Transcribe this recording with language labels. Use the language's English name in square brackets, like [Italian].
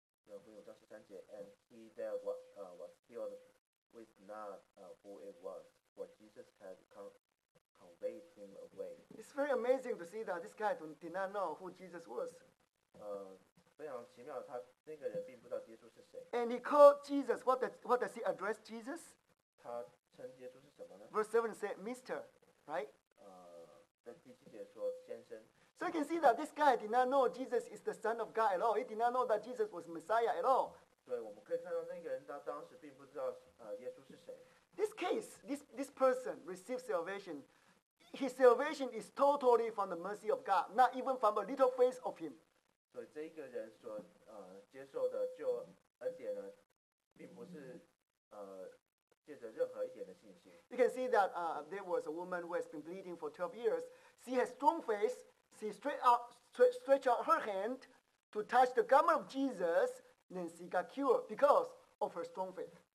[English] And he that was healed wist not who it was, for Jesus had conveyed him away. It's very amazing to see that this guy did not know who Jesus was. [Chinese] 非常奇妙，他那个人并不知道耶稣是谁。 [English] And he called Jesus. What does he address Jesus? [Chinese] 他称耶稣是什么呢？ [English] Verse 7 said, Mister, right? [Chinese] 在第七节说先生。 [English] So you can see that this guy did not know Jesus is the Son of God at all. He did not know that Jesus was Messiah at all. [Chinese] 对，我们可以看到那个人他当时并不知道耶稣是谁。 [English] This case, this person received salvation. His salvation is totally from the mercy of God, not even from a little faith of him. [Chinese] 所以这一个人所接受的救恩典呢，并不是借着任何一点的信心。 [English] You can see that there was a woman who has been bleeding for 12 years. She has strong faith. She stretched out her hand to touch the garment of Jesus, then she got cured because of her strong faith.